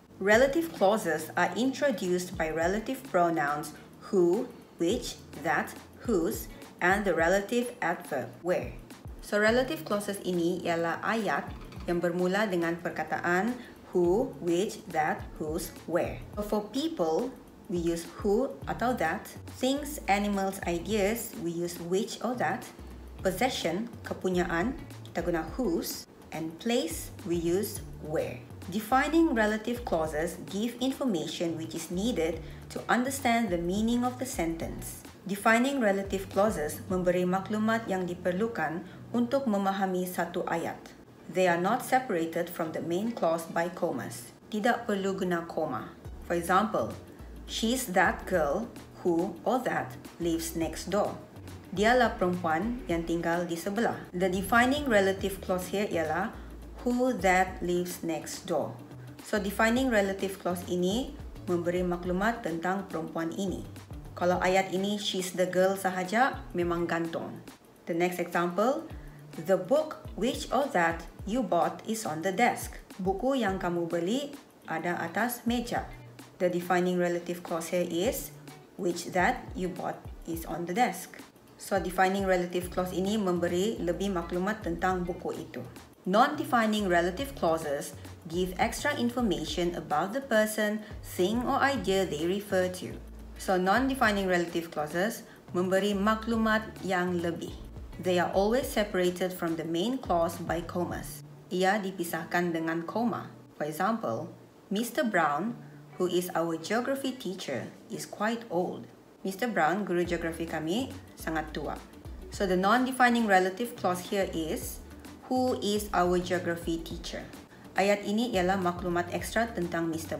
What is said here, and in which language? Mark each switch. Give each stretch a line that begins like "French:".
English: Relative clauses are introduced by relative pronouns who, which, that, whose, and the relative adverb where.
Malay: So relative clauses ini ialah ayat yang bermula dengan perkataan who, which, that, whose, where.
English: So for people, we use who atau that. Things, animals, ideas, we use which or that. Possession,
Malay: kepunyaan, kita guna
English: whose. And place, we use where. Defining relative clauses give information which is needed to understand the meaning of the sentence.
Malay: Defining relative clauses memberi maklumat yang diperlukan untuk memahami satu ayat.
English: They are not separated from the main clause by commas.
Malay: Tidak perlu guna koma.
English: For example, she's that girl who or that lives next door.
Malay: Dialah perempuan yang tinggal di sebelah.
English: The defining relative clause here ialah who that lives next door.
Malay: So defining relative clause ini memberi maklumat tentang perempuan ini. Kalau ayat ini
English: she's the girl
Malay: sahaja, memang gantung.
English: The next example, the book which or that you bought is on the desk.
Malay: Buku yang kamu beli ada atas meja.
English: The defining relative clause here is which that you bought is on the desk.
Malay: So defining relative clause ini memberi lebih maklumat tentang buku itu.
English: Non-defining relative clauses give extra information about the person, thing or idea they refer to.
Malay: So non-defining relative clauses memberi maklumat yang lebih.
English: They are always separated from the main clause by commas.
Malay: Ia dipisahkan dengan koma.
English: For example, Mr. Brown, who is our geography teacher, is quite old. Mr. Brown,
Malay: guru geografi kami, sangat tua.
English: So the non-defining relative clause here is, who is our geography teacher?
Malay: Ayat ini ialah maklumat ekstra tentang Mr.